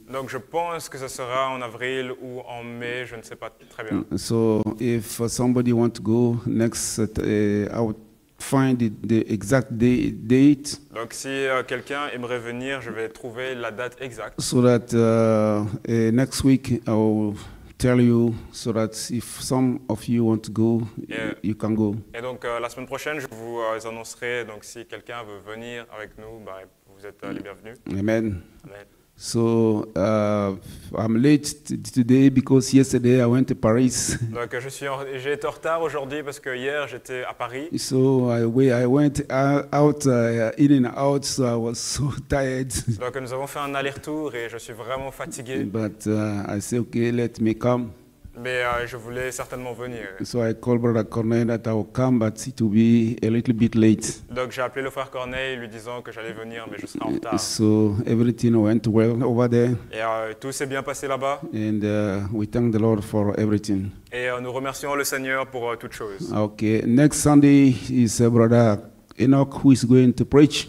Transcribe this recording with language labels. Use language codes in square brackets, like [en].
[fr] Donc je pense que ce sera en avril ou en mai, je ne sais pas très bien. [en] So if somebody wants to go next, I would find the exact date. [fr] Donc si quelqu'un aimerait venir, je vais trouver la date exacte. [en] So that next week I will tell you, so that if some of you want to go, you can go. [fr] Et donc la semaine prochaine, je vous annoncerai, donc si quelqu'un veut venir avec nous, bah, vous êtes les bienvenus. Amen. [en] So, I'm late today because yesterday I went to Paris. [fr] Donc j'ai été en retard aujourd'hui parce que hier j'étais à Paris. [en] So, I went out, in and out, so I was so tired. [fr] Donc nous avons fait un aller-retour et je suis vraiment fatigué. [en] But I said, okay, let me come. [fr] Mais je voulais certainement venir. [en] So I called Brother Corneille that I would come, but it would be a little bit late. [fr] Donc j'ai appelé le frère Corneille lui disant que j'allais venir, mais je serai en retard. [en] So everything went well over there. [fr] Et tout s'est bien passé là-bas. [en] And we thank the Lord for everything. [fr] Et nous remercions le Seigneur pour toutes choses. [en] Okay, next Sunday is Brother Enoch who is going to preach.